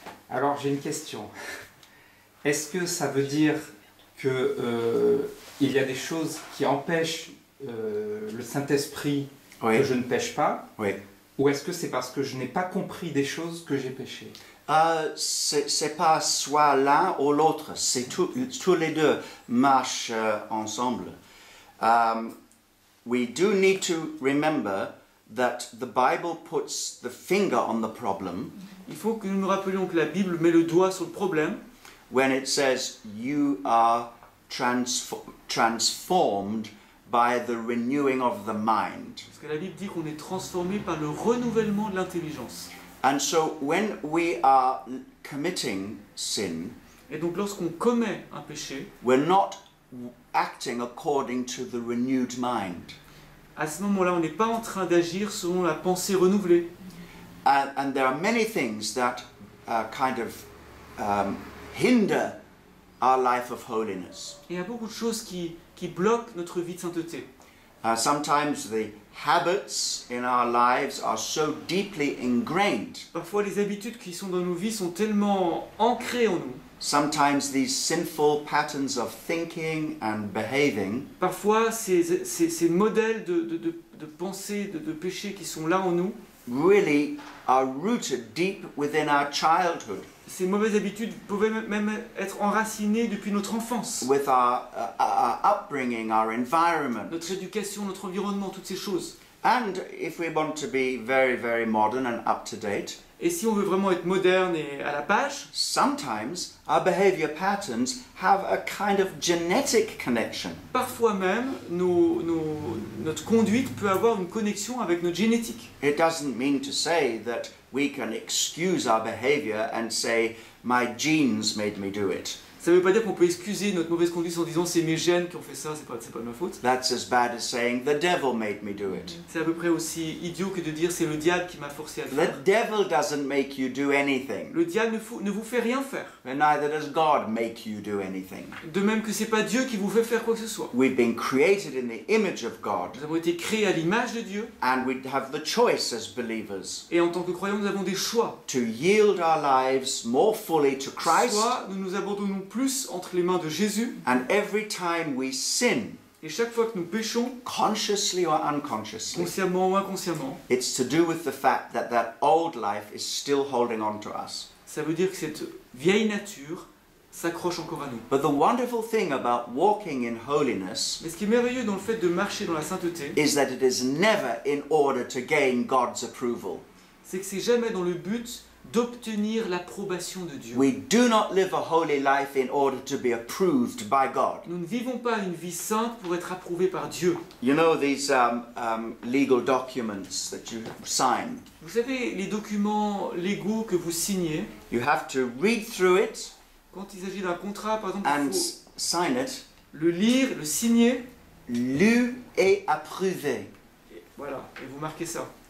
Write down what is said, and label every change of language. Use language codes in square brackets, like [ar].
[fr] Alors j'ai une question. Est-ce que ça veut dire que il y a des choses qui empêchent le Saint-Esprit, oui, que je ne pêche pas, oui, ou est-ce que c'est parce que je n'ai pas compris des choses que j'ai péché? C'est pas soit l'un ou l'autre, c'est tous les deux marchent ensemble. [en] We do need to remember that the Bible puts the finger on the problem. [fr] Il faut que nous nous rappelions que la Bible met le doigt sur le problème. [en] When it says you are transformed by the renewing of the mind. [fr] Parce que la Bible dit qu'on est transformé par le renouvellement de l'intelligence. [en] And so when we are committing sin, [fr] et donc lorsqu'on commet un péché, [en] we're not acting according to the renewed mind. [fr] À ce moment-là, on n'est pas en train d'agir selon la pensée renouvelée. [en] And there are many things that kind of hinder our life of holiness. [fr] Il y a beaucoup de choses qui bloquent notre vie de sainteté. [en] Sometimes the habits in our lives are so deeply ingrained. [fr] Parfois les habitudes qui sont dans nos vies sont tellement ancrées en nous. [en] Sometimes these sinful patterns of thinking and behaving. [fr] Parfois ces modèles de pensée de péché qui sont là en nous. [en] Really are rooted deep within our childhood. [fr] Ces mauvaises habitudes pouvaient même être enracinées depuis notre enfance. [en] With our upbringing, our environment. [fr] Notre éducation, notre environnement, toutes ces choses. [en] And if we want to be very, very modern and up to date. [fr] Et si on veut vraiment être moderne et à la page. [en] Sometimes our behavior patterns have a kind of genetic connection. [fr] Parfois même, notre conduite peut avoir une connexion avec notre génétique. [en] It doesn't mean to say that we can excuse our behavior and say my genes made me do it. [fr] Ça veut pas dire qu'on peut excuser notre mauvaise conduite en disant c'est mes gènes qui ont fait ça, c'est pas de ma faute. [en] That's as bad as saying the devil made me do it. [fr] C'est à peu près aussi idiot que de dire c'est le diable qui m'a forcé à le faire. [en] The devil doesn't make you do anything. [fr] Le diable ne vous fait rien faire. [en] And neither does God make you do anything. [fr] De même que c'est pas Dieu qui vous fait faire quoi que ce soit. [en] We've been created in the image of God. [fr] Nous avons été créés à l'image de Dieu. [en] And we have the choice as believers. [fr] Et en tant que croyants, nous avons des choix. [en] To yield our lives more fully to Christ. [fr] Soit nous nous abandonnons plus entre les mains de Jésus. [en] And every time we sin, [fr] et chaque fois que nous péchons, [en] consciously or unconsciously, [fr] consciemment ou inconsciemment, [en] it's to do with the fact that that old life is still holding on to us. [fr] Ça veut dire que cette vieille nature s'accroche encore à nous. [en] But the wonderful thing about walking in holiness, [fr] mais ce qui est merveilleux dans le fait de marcher dans la sainteté, [en] is that it is never in order to gain God's approval. [fr] C'est que c'est jamais dans le but d'obtenir l'approbation de Dieu. [en] We do not live a holy life in order to be approved by God. [fr] Nous ne vivons pas une vie sainte pour être approuvé par Dieu. [en] You know these legal documents that you sign. [fr] Vous savez les documents légaux que vous signez. [en] You have to read through it. [fr] Quand il s'agit d'un contrat, par exemple, [en] and [fr] il faut [en] sign it. [fr] Le lire, le signer. Lu et approuvé. Et voilà, et vous marquez ça.